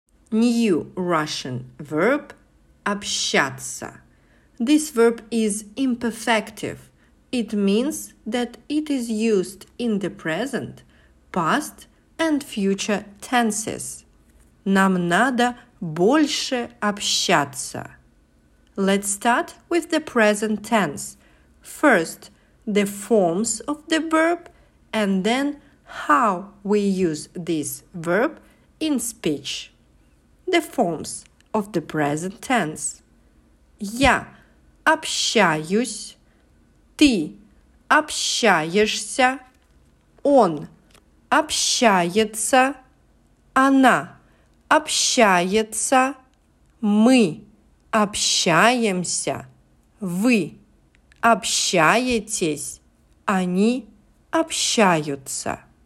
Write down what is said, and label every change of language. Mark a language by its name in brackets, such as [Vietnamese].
[English] New Russian verb общаться. This verb is imperfective. It means that it is used in the present, past, and future tenses. [Russian] Нам надо больше общаться. [English] Let's start with the present tense. First, the forms of the verb, and then how we use this verb in speech. The forms of the present tense. [Russian] Я общаюсь, ты общаешься, он общается, она общается, мы общаемся, вы общаетесь, они общаются.